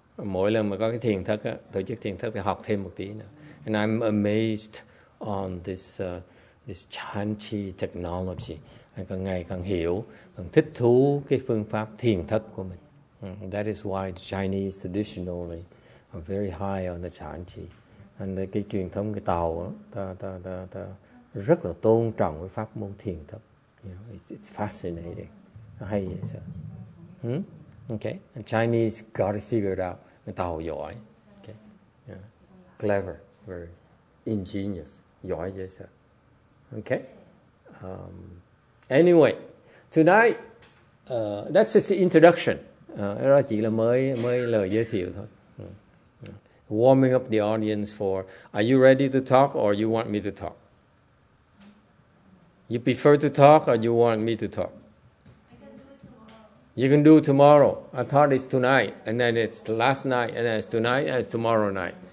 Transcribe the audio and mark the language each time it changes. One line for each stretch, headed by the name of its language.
Vietnamese: Mỗi lần mà có cái thiền thất, tổ chức thiền thất thì học thêm một tí nữa.
English: And I'm amazed on this this chan chi technology.
Vietnamese: Càng ngày càng hiểu, càng thích thú cái phương pháp thiền thất của mình.
English: That is why the Chinese traditionally are very high on the chan chi.
Vietnamese: And cái truyền thống cái Tàu ta rất là tôn trọng cái pháp môn thiền thất.
English: You know, it's fascinating.
Vietnamese: Hay vậy sao?
English: Okay. And Chinese got it figured out.
Vietnamese: Tàu giỏi.
English: Okay. Yeah. Clever. Very ingenious.
Vietnamese: Giỏi vậy sao?
English: Okay. Anyway, tonight, that's just the introduction.
Vietnamese: Đó chỉ là mới lời giới thiệu thôi.
English: Warming up the audience for, are you ready to talk or you want me to talk? You prefer to talk or you want me to talk? I can do it tomorrow. You can do it tomorrow. I thought it's tonight, and then it's last night, and then it's tonight, and it's tomorrow night.